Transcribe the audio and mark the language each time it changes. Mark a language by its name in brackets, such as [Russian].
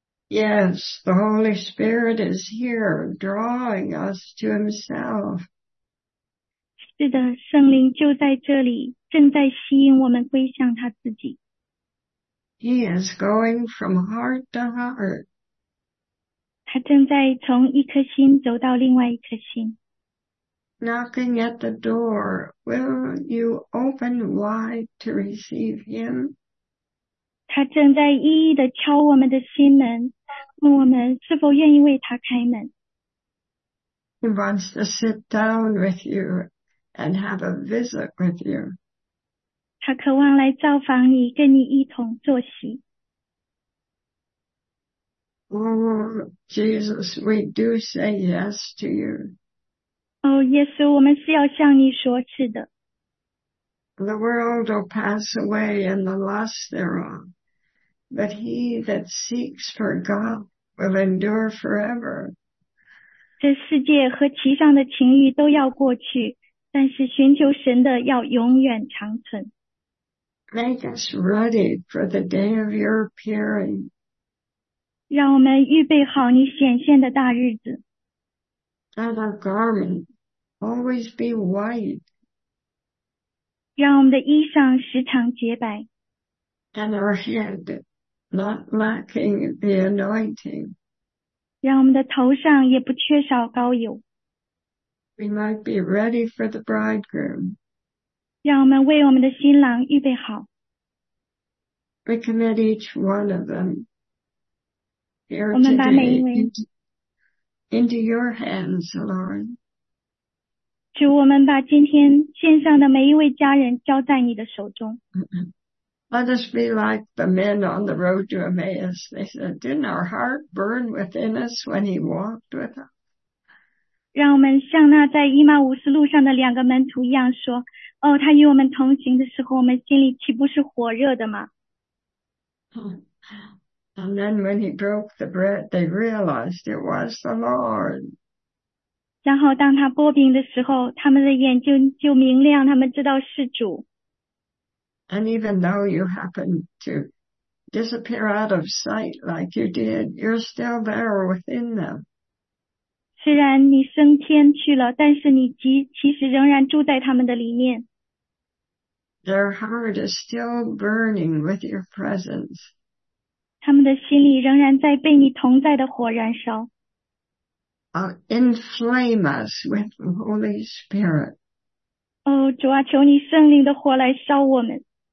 [English] Yes, the Holy Spirit is here, drawing us to Himself. [Chinese] 是的，圣灵就在这里，正在吸引我们归向他自己。 [English] He is going from heart to heart. [Chinese] 他正在从一颗心走到另外一颗心。 [English] Knocking at the door, will you open wide to receive Him? [Chinese] 他正在一一地敲我们的心门，问我们是否愿意为他开门。 [English] He wants to sit down with you and have a visit with you. [Chinese] 他渴望来造访你，跟你一同坐席。 [English] Oh, Jesus, we do say yes to you. [Chinese] 哦，耶稣，我们是要向你说是的。 [English] The world will pass away and the lust thereof, but he that seeks for God will endure forever. [Chinese] 这世界和其上的情欲都要过去，但是寻求神的要永远长存。 [English] Make us ready for the day of your appearing. [Chinese] 让我们预备好你显现的大日子。 [English] Let our garment always be white. [Chinese] 让我们的衣裳时常洁白。 [English] And our head not lacking the anointing. [Chinese] 让我们的头上也不缺少膏油。 [English] We might be ready for the bridegroom. [Chinese] 让我们为我们的新郎预备好。 [English] We commit each one of them here [Chinese] 我们把每一 [English] 位 into your hands, Lord. [Chinese] 主，我们把今天线上的每一位家人交在你的手中。 [English] Let us be like the men on the road to Emmaus. They said, didn't our heart burn within us when he walked with us? [Chinese] 让我们像那在以马忤斯路上的两个门徒一样说，哦，他与我们同行的时候，我们心里岂不是火热的吗？ [English] And then when he broke the bread, they realized it was the Lord. [Chinese] 然后当他擘饼的时候，他们的眼睛就明亮，他们知道是主。 [English] And even though you happen to disappear out of sight like you did, you're still there within them. [Chinese] 虽然你升天去了，但是你其实仍然住在他们的里面。 [English] Their heart is still burning with your presence. [Chinese] 他们的心里仍然在被你同在的火燃烧。 [English] Inflame us with the Holy Spirit. [Chinese] 哦，主啊，求你圣灵的火来烧我们。